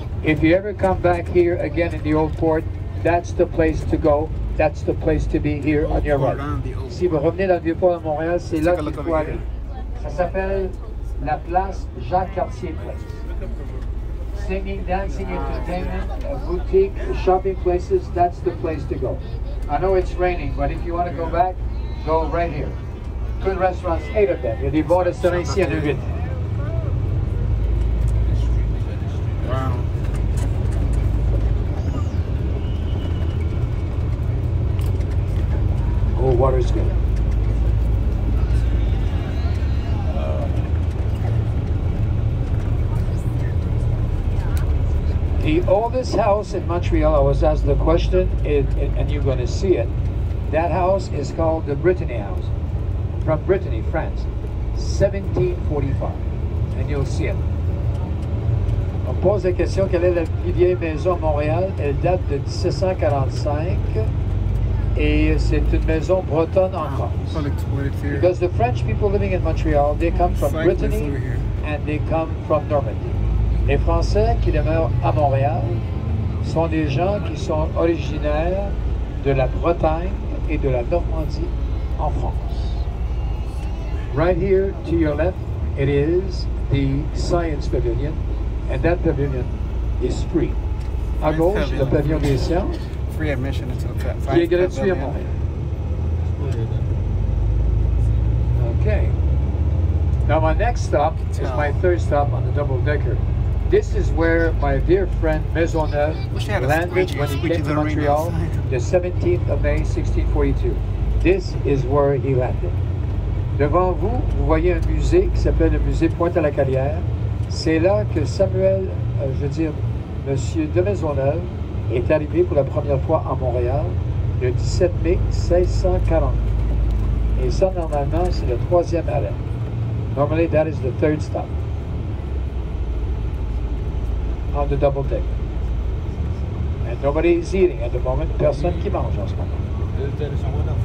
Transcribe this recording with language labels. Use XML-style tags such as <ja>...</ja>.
<en>If you ever come back here again in the old port, that's the place to go. That's the place to be here on your right.</en> <fr>Si vous revenez dans le vieux port de Montréal, c'est là qu'il faut aller. Ça s'appelle la place Jacques Cartier Place.</fr> <en>Singing, dancing, entertainment, boutique, shopping places, that's the place to go. I know it's raining, but if you want to go back, go right here. Good restaurants, 8 of them.</en> <fr>Il y a des bons restaurants ici à Neuville.</fr> <en>Oh, water is good. The oldest house in Montreal, I was asked the question, and you're going to see it. That house is called the Brittany House, from Brittany, France, 1745, and you'll see it.</en> <fr>On pose la question, quelle est la plus vieille maison à Montréal? Elle date de 1745. Et c'est une maison bretonne en France.</fr> <en>Because the French people living in Montreal, they come from Brittany and they come from Normandy.</en> <fr>Les Français qui demeurent à Montréal sont des gens qui sont originaires de la Bretagne et de la Normandie en France.</fr> <en>Right here to your left, it is the Science Pavilion. And that pavilion is free.</en> <fr>À gauche, le pavillon des sciences.</fr> <en>Free admission into the</en> <fr>pavilion. Qui est gratuit à Montréal.</fr> <en>Okay. Now my next stop is my third stop on the double decker. This is where my dear friend Maisonneuve landed when he came to Montreal the 17th of May 1642. This is where he landed.</en> <fr>Devant vous, vous voyez un musée qui s'appelle le musée Pointe à la Carrière. C'est là que Samuel, Monsieur de Maisonneuve, est arrivé pour la première fois à Montréal le 17 mai 1640. Et ça, normalement, c'est le troisième arrêt.</fr> <en>Normally, that is the third stop on the double deck. And nobody is eating at the moment.</en> <fr>Personne qui mange en ce moment.</fr>